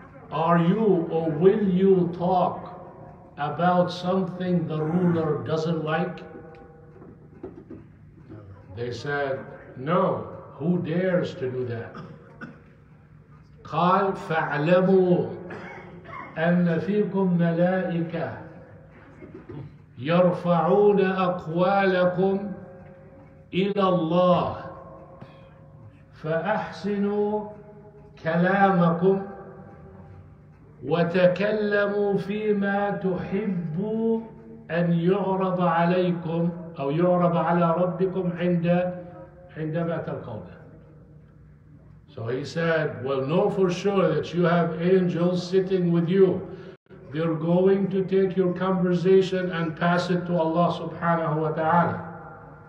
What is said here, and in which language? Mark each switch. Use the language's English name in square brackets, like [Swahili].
[English] Are you, or will you talk about something the ruler doesn't like? They said, no, who dares to do that? [Arabic] قال فَعْلَمُوا أَنَّ فِيكُمْ مَلَائِكَ يَرْفَعُونَ أَقْوَالَكُمْ إِلَى اللَّهِ فَأَحْسِنُوا كَلَامَكُمْ وتكلموا فيما تحبوا أن يعرض عليكم أو يعرض على ربكم عندما تلقونه. [English] So he said, well, know for sure that you have angels sitting with you. They're going to take your conversation and pass it to Allah subhanahu wa ta'ala.